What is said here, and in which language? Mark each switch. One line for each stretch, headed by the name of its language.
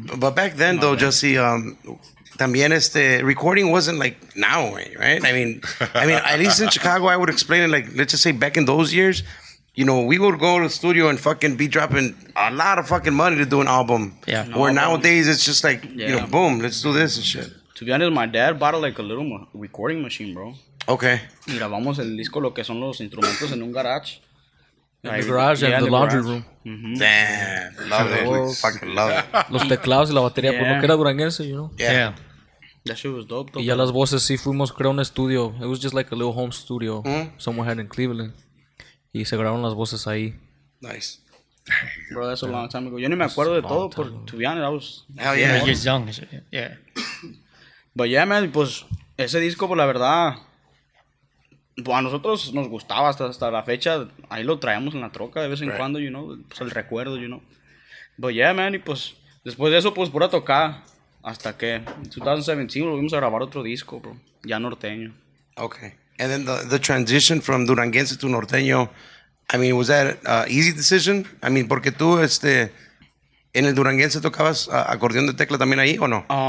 English: But back then, though, Jesse,
Spanish: también este
English: recording wasn't like now, right? I mean, at least in Chicago, I would explain it like, let's just say back in those years, you know, we would go to the studio and fucking be dropping a lot of fucking money to do an album. Yeah. Where nowadays it's just like, you know, boom, let's do this and shit. To be honest, my dad bought like a little recording machine, bro. Okay.
Spanish: Y grabamos el disco, lo que son los instrumentos en un garage.
English: In the garage and the laundry room. Mm-hmm. Damn, love it. Fucking love it.
Spanish: Los teclados y la batería, pues lo que era duranguense, you know?
English: Yeah. That shit was dope, though.
Spanish: Y ya las voces sí fuimos, creo, un estudio.
English: It was just like a little home studio somewhere in Cleveland.
Spanish: Y se grabaron las voces ahí.
English: Nice. Bro, that's a long time ago.
Spanish: Yo ni me acuerdo de todo, pero
English: to be honest, I was... Hell yeah. You're just young. Yeah. But yeah, man,
Spanish: pues ese disco, pues la verdad... A nosotros nos gustaba hasta la fecha. Ahí lo traemos en la troca de vez en cuando, you know. Pues el recuerdo, you know.
English: But yeah, man,
Spanish: y pues después de eso, pues pura tocada. Hasta que en 2017 volvimos a grabar otro disco, bro. Ya norteño.
English: Okay. And then the transition from duranguense to norteño, I mean, was that an easy decision? I mean,
Spanish: porque tú, en el duranguense tocabas acordeón de tecla también ahí, ¿o no?